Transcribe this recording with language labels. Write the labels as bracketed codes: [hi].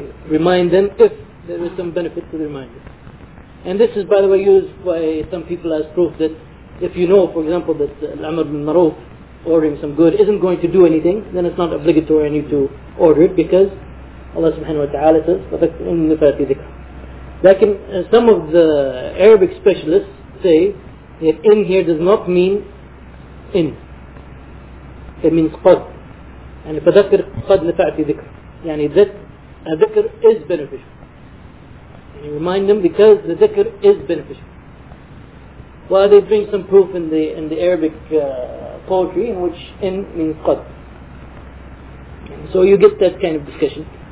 [en] Remind them if there is some benefit to the reminder. And this is, by the way, used by some people as proof that if you know, for example, that Amr bin Maruf ordering some good isn't going to do anything, then it's not obligatory on you to order it because Allah subhanahu wa ta'ala says, [ar] فَذَكْرْ إِنْ نَفَعَتِ ذِكْرَ. [en] Lakin, some of the Arabic specialists say that in here does not mean in. It means قَدْ. And [ar] فَذَكْرْ قَدْ نَفَعَتِ ذِكْرَ. [en] Yani that a ذِكْر is beneficial. And you remind them because the ذِكْر is beneficial. Well, they bring some proof in the Arabic poetry in which in means قَدْ. So you get that kind of discussion.